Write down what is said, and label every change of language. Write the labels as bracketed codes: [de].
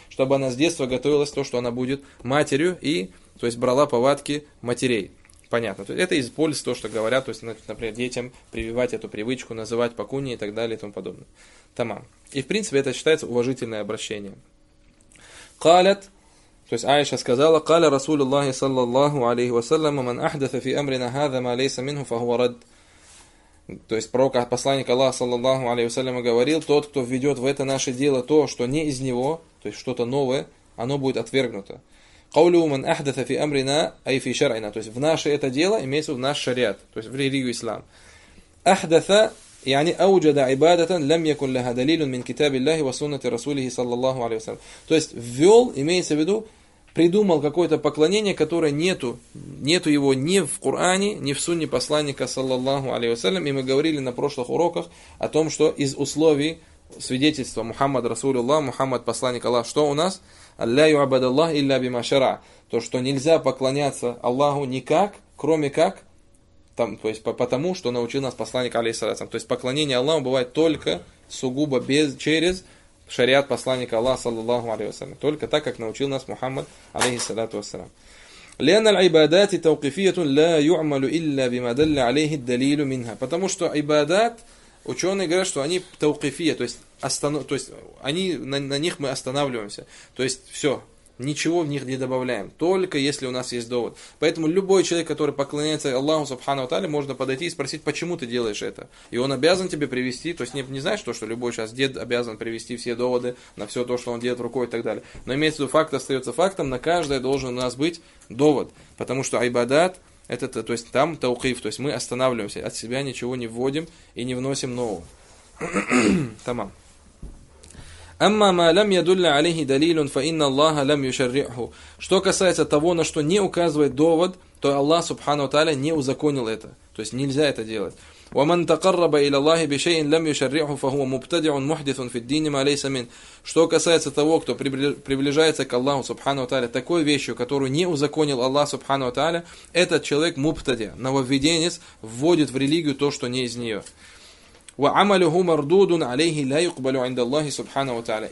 [ru] Чтобы она с детства готовилась то, что она будет матерью и, то есть, брала повадки матерей. Понятно. То есть, это из пользы то, что говорят, то есть, например, детям прививать эту привычку, называть покуни и так далее и тому подобное. Тамам. И, в принципе, это считается уважительное обращение. Калят. То есть Аиша сказала, [ar] قَالَ رَسُولُ اللَّهِ صَلَّى اللَّهُ عَلَيْهِ وَسَلَّمَ مَنْ أَحْدَثَ فِي أَمْرِنَ هَذَا مَا لَيْسَ مِنْهُ فَهُوَ رَدْ. [ru] То есть пророк, посланник Аллаха, саллаллаху алейхи вассалям, говорил, тот, кто введет в это наше дело то, что не из него, то есть что-то новое, оно будет отвергнуто. [ar] قَوْلُ مَنْ أَحْدَثَ فِي أَمْرِنَا أَيْ فِي شَرْعِنَا. [ru] То есть в наше это дело, имеется в наш шариат, то есть в религию ислам. [ar] أَحْدَثَ يعني أوجد عبادة لم يكن لها دليل من كتاب الله وسنة رسوله صلى الله عليه وسلم. [ru] То есть ввел, имеется в виду, придумал какое-то поклонение, которое нету его ни в Коране, ни в Сунне посланника саллаллаху алейхи ва саллям. И мы говорили на прошлых уроках о том, что из условий свидетельства Мухаммад Расулуллах, Мухаммад посланник Аллаха, что у нас? [ar] لا يعبد الله إلا بما شرع. [ru] То, что нельзя поклоняться Аллаху никак, кроме как там, то есть потому, что научил нас посланник алейхиссалям. То есть поклонение Аллаху бывает только сугубо без, через шариат посланника Аллаха, саллаллаху алейхи ва саллям. Только так, как научил нас Мухаммад, алейхиссалату вассалям. [ar] لأن العبادات توقيفية لا يعمل إلا بما دل عليه الدليل منها. [ru] Потому что عبادات, ученые говорят, что они توقيفية, то есть, они, на них мы останавливаемся. То есть все, ничего в них не добавляем, только если у нас есть довод. Поэтому любой человек, который поклоняется Аллаху Субхану ва Тааля, можно подойти и спросить, почему ты делаешь это. И он обязан тебе привести, то есть не знаешь то, что любой сейчас дед обязан привести все доводы на все то, что он делает рукой и так далее. Но имеется в виду, факт остается фактом, на каждое должен у нас быть довод. Потому что айбадат, это, то есть там таухиф, то есть мы останавливаемся, от себя ничего не вводим и не вносим нового. Тамам. [ar] أما ما لم يدل عليه دليل فإن الله لم يشرعه. [ru] Что касается того, на что не указывает довод, то Аллах Субхану ва Тааля не узаконил это. То есть нельзя это делать. [ar] ومن تقرب إلى الله بشيء لم يشرعه فهو مبتدع محدث في الدين ما ليس من. [ru] Что касается того, кто приближается к Аллаху Субхану ва Тааля такой вещью, которую не узаконил Аллах Субхану ва Тааля, этот человек мубтадиа, нововведенец, вводит в религию то, что не из нее. [ar] وَعَمَلُهُ مَرْدُودٌ عَلَيْهِ لَا يُقْبَلُ عِنْدَ اللَّهِ سُبْحَانَهُ وَتَعَالَى.